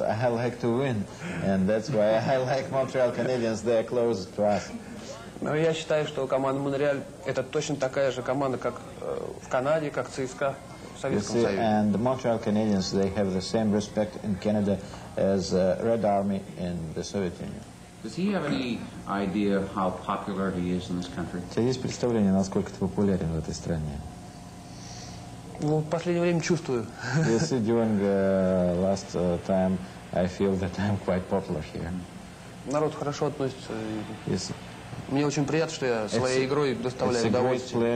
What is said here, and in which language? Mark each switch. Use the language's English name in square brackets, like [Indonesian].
[English] I like to win, and that's why I like Montreal Canadiens. They are close to us. [Russian] Но я считаю, что команда Монреаль это точно такая же команда, как в Канаде, как ЦСКА. [English] You see, and the Montreal Canadiens, they have the same respect in Canada as Red Army in the Soviet Union. Does he have any idea of how popular he is in this country? [Russian] У тебя есть представление, насколько ты популярен в этой стране? Ну, в последнее время чувствую. [English] You see, during last time, I feel that I'm quite popular here. [Russian] Народ хорошо относится. [English] Yes. [Russian] Мне очень приятно, что я своей игрой доставляю удовольствие.